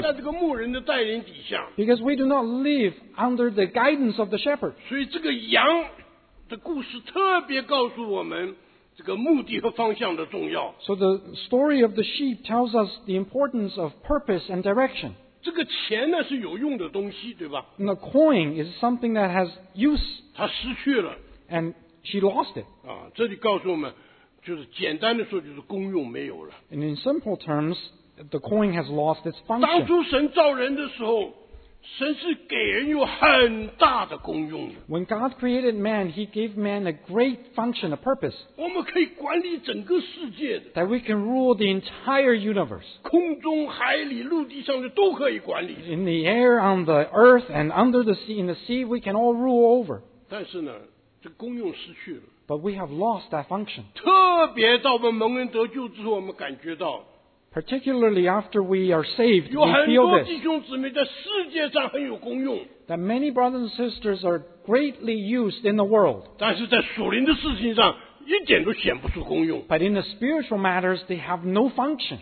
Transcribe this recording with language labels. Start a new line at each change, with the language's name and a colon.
Chinese: 因为你没有活在这个牧人的带领底下。
English: Because we do not live under the guidance of the shepherd.
Chinese: 所以这个羊的故事特别告诉我们这个目的和方向的重要。
English: So the story of the sheep tells us the importance of purpose and direction.
Chinese: 这个钱呢是有用的东西，对吧
English: ？The coin is something that has use.
Chinese: 他失去了
English: ，and she lost it。
Chinese: 这里告诉我们，就是简单的说，就是功用没有了。
English: And in simple terms, the coin has lost its function.
Chinese: 当初神造人的时候，神是给人有很大的功用的。
English: When God created man, He gave man a great function, a purpose.
Chinese: 我们可以管理整个世界的。
English: That we can rule the entire universe.
Chinese: 空中、海里、陆地上的都可以管理。
English: In the air, on the earth, and under the sea, in the sea, we can all rule over.
Chinese: 但是呢，这功用失去了。
English: But we have lost that function.
Chinese: 特别到我们蒙恩得救之后，我们感觉到。
English: Particularly after we are saved, we feel this.
Chinese: 有很多弟兄姊妹在世界上很有功用。
English: That many brothers and sisters are greatly used in the world.
Chinese: 但是在属灵的事情上，一点都显不出功用。
English: But in the spiritual matters, they have no function.